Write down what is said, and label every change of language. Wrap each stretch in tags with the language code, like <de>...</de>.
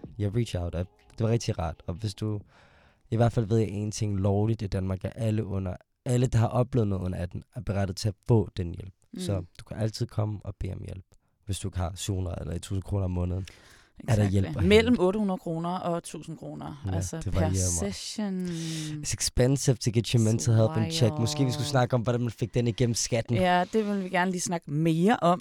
<da>Ja,</da> <en>reach out.</en> <da>Det var rigtig rart. Og hvis du... I hvert fald ved jeg en ting lovligt i Danmark, at alle under... Alle, der har oplevet noget under 18, er berettet til at få den hjælp. Mm. Så du kan altid komme og bede om hjælp, hvis du ikke har 700 eller 1000 kroner om måneden.</da> <en>Exactly.</en> <da>Er der hjælp? Mellem 800 kroner og 1000 kroner. Ja, altså per session.</da> <en>It's expensive to get your mental health in check.</en> <da>Måske vi skulle snakke om, hvordan man fik den igennem skatten. Ja, det vil vi gerne lige snakke mere om.</da>